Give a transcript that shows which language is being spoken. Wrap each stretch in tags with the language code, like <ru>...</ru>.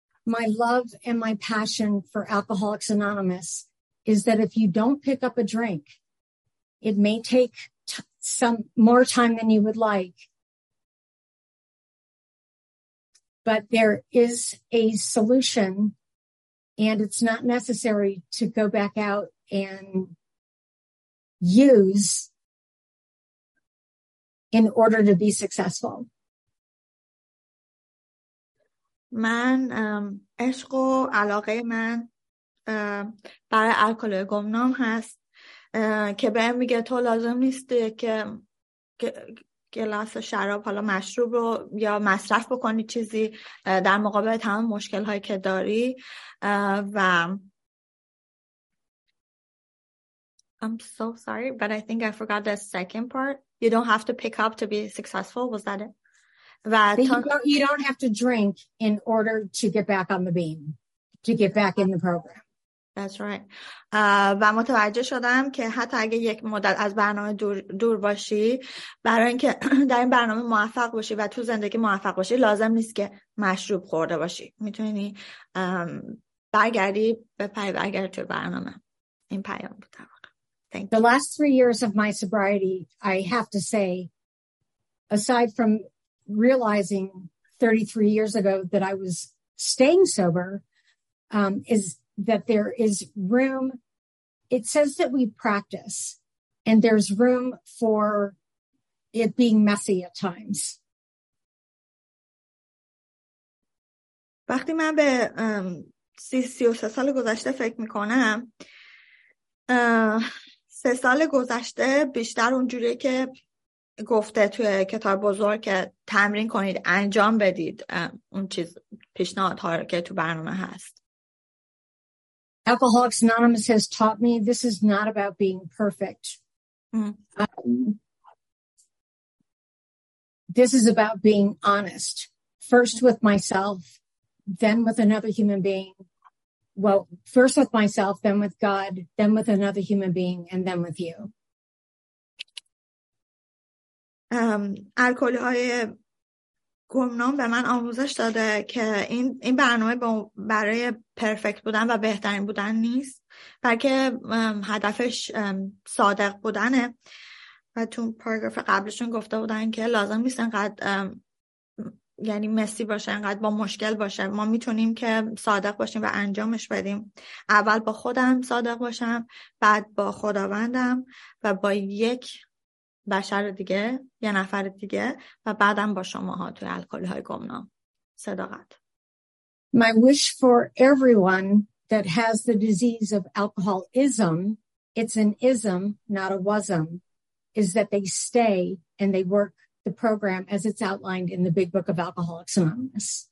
<en>My love and my passion for Alcoholics Anonymous is that if you don't pick up a drink, it may take some more time than you would like, but there is a solution, and it's not necessary to go back out and use in order to be successful.</en> <fa>من عشق و علاقه من برای الکل گمنام هست که بهم میگه تو لازم نیست که گلاس شراب حالا مشروب رو یا مصرف بکنی چیزی در مقابل تمام مشکل هایی که داری.</fa> <en>و I'm so sorry but I think I forgot the second part. You don't have to pick up to be successful, was that it? You don't have to drink in order to get back on the beam, to get back in the program. That's right.</en> <fa>و متوجه شدم که حتی اگه یک مدت از برنامه دور باشی، برای اینکه در این برنامه موفق باشی و تو زندگی موفق باشی، لازم نیست که مشروب خورده باشی. میتونی برگردی به پیام برنامه. این پیام بود.</fa> <en>Thank you. The last 3 years of my sobriety, I have to say, aside from realizing 33 years ago that I was staying sober, is that there is room. It says that we practice and there's room for it being messy at times.</en> <fa>وقتی من به 33 سال گذشته فکر میکنم، سه سال گذشته بیشتر اونجوری که گفته توی کتاب بزرگ که تمرین کنید انجام بدید اون چیز پیشنهادها رو که تو برنامه هست.</fa> <en>Alcoholics Anonymous has taught me this is not about being perfect. This is about being honest, first with myself, then with another human being. Well, first with myself, then with God, then with another human being, and then with you.</en> <fa>الکل‌های گمنام به من آموزش داده که این برنامه برای پرفکت بودن و بهترین بودن نیست، بلکه هدفش صادق بودنه. و تو پاراگراف قبلشون گفته بودن که لازم نیست انقدر یعنی مسی باشه، انقدر با مشکل باشه. ما میتونیم که صادق باشیم و انجامش بدیم. اول با خودم صادق باشم، بعد با خداوندم و با یک بشر دیگه، یه نفر دیگه، و بعدم با شماها توی الکلی های گمنام صداقت.</fa> <en>My wish for everyone that has the disease of alcoholism, it's an ism, not a wasm, is that they stay and they work the program as it's outlined in the Big Book of Alcoholics Anonymous.</en>